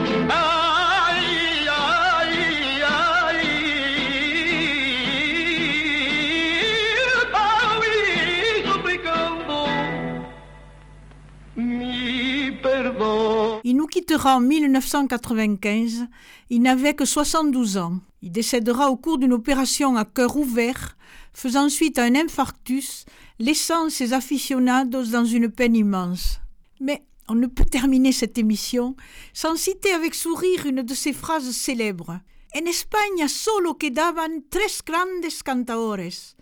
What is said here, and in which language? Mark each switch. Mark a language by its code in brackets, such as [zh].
[es] Ay, ay, ay, ay, suplicando mi perdón. [fr] Il nous quittera en 1995. Il n'avait que 72 ans. Il décédera au cours d'une opération à cœur ouvert, faisant suite à un infarctus, laissant ses aficionados dans une peine immense. Mais on ne peut terminer cette émission sans citer avec sourire une de ses phrases célèbres. [es] En España solo quedaban tres grandes cantadores.